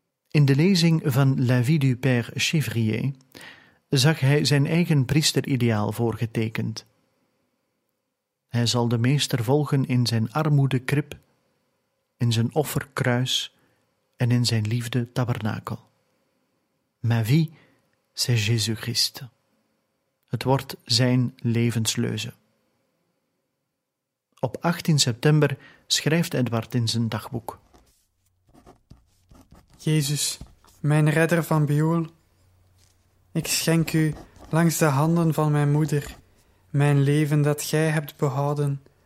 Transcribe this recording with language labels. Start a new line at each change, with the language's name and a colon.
Dutch: In de lezing van La Vie du Père Chevrier zag hij zijn eigen priesterideaal voorgetekend. Hij zal de meester volgen in zijn armoedekrib, in zijn offerkruis en in zijn liefde tabernakel.
French: Ma vie, c'est Jésus Christ.
Dutch: Het wordt zijn levensleuze. Op 18 september schrijft Edward in zijn dagboek. Jezus, mijn redder van Bioul, ik schenk u langs de handen van mijn moeder mijn leven dat gij hebt behouden.